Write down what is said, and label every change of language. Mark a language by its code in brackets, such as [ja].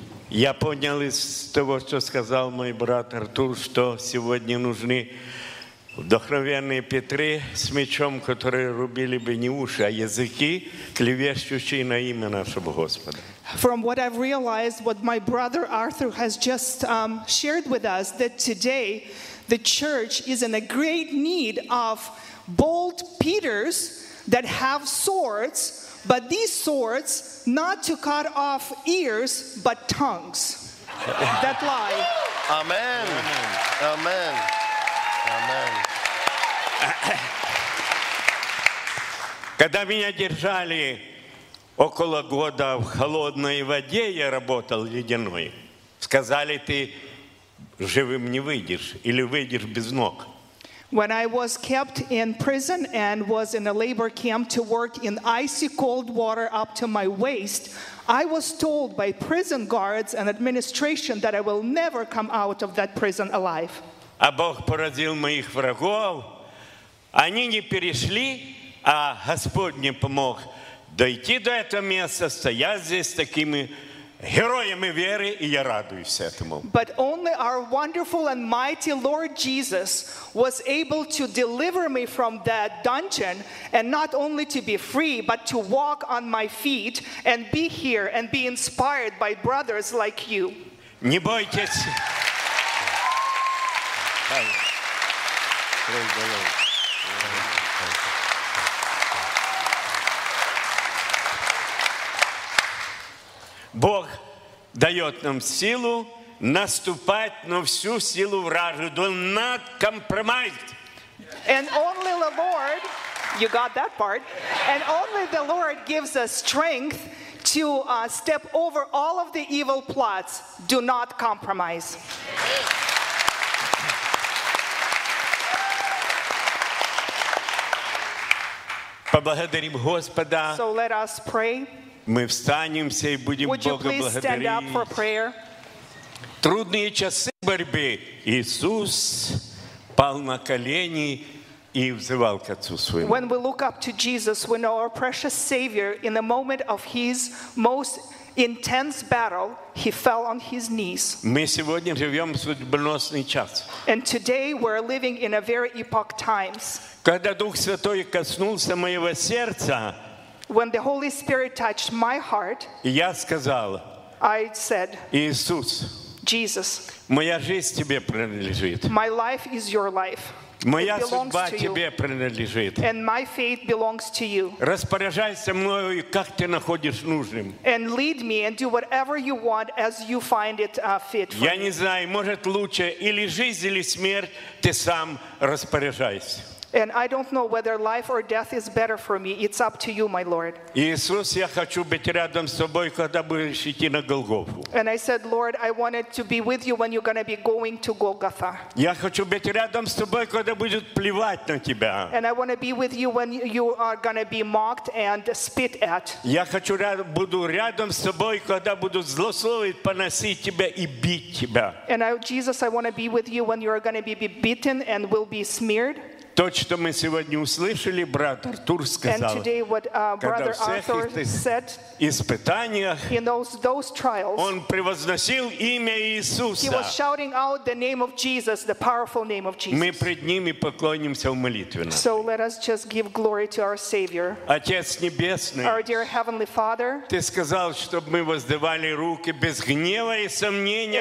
[ru] Я понял из того, что сказал мой брат Артур, что сегодня нужны вдохновенные Петры с мечом, которые рубили бы не уши, а языки, клевещущие на имя нашего Господа. [en] From what I've realized, what my brother Arthur has just shared with us, that today the church is in a great need of bold Peters that have swords, but these swords, not to cut off ears, but tongues that lie. Amen. Amen. Amen. [ru] Когда меня держали около года в холодной воде, я работал ледяной, сказали, ты живым не выйдешь или выйдешь без ног. [en] When I was kept in prison and was in a labor camp to work in icy cold water up to my waist, I was told by prison guards and administration that I will never come out of that prison alive. [ru] А Бог поразил моих врагов. Они не перешли, а Господь мне помог дойти до этого места. Стоять здесь такими Героями веры, и я радуюсь этому. [en] But only our wonderful and mighty Lord Jesus was able to deliver me from that dungeon, and not only to be free, but to walk on my feet and be here and be inspired by brothers like you. [ru] Не бойтесь. Бог дает нам силу наступать на всю силу врага. [en] Do not compromise. And only the Lord, you got that part. And only the Lord gives us strength to step over all of the evil plots. Do not compromise. [ru] Поблагодарим Господа. [en] So let us pray. [uk] Ми встанемся і будемо Бога благодарити. [en] Would you please stand up for prayer? [uk] Трудні часи борьби. Ісус пав на колені і взивав к Отцу своєму. [en] When we look up to Jesus, we know our precious Savior, in the moment of his most intense battle, he fell on his knees. [uk] Ми сьогодні живемо судьбоносний час. [en] And today we're living in a very epoch times. [uk] Коли Дух Святий коснувся моєго серця, [en] when the Holy Spirit touched my heart, [uk] я сказав, [en] I said, [uk] Ісус, [en] Jesus, [ru] моя жизнь тебе принадлежит. [en] My life is your life. [ru] Моя судьба тебе принадлежит. [en] And my fate belongs to you. [ru] Распоряжайся мною, як ти находишь нужным. [en] And lead me and do whatever you want as you find it fit for [ru] я не знаю, может лучше или жизнь, или смерть, ты сам распоряжайся. [en] And I don't know whether life or death is better for me. It's up to you, my Lord. [ru] Иисус, я хочу быть рядом с тобой, когда будешь идти на Голгофу. [en] And I said, Lord, I wanted to be with you when you're going to be going to Golgotha. Я хочу быть рядом с тобой, когда будут плевать на тебя. And I want to be with you when you are going to be mocked and spit at. Я хочу буду рядом с тобой, когда будут злословить, поносить тебя и бить тебя. And I, Jesus, I want to be with you when you are going to be beaten and will be smeared. [uk] То, що ми сьогодні услышали, брат Артур сказав, коли всіх іспитаннях він превозносив ім'я Ісуса. [en] He was shouting out the name of Jesus, the powerful name of Jesus. [uk] Ми пред ним і поклонимся в молитві. [en] So let us just give glory to our Savior. [uk] Отец Небесний, [en] our dear Heavenly Father, [uk] ти сказав, щоб ми воздавали руки без гнева і сумнення.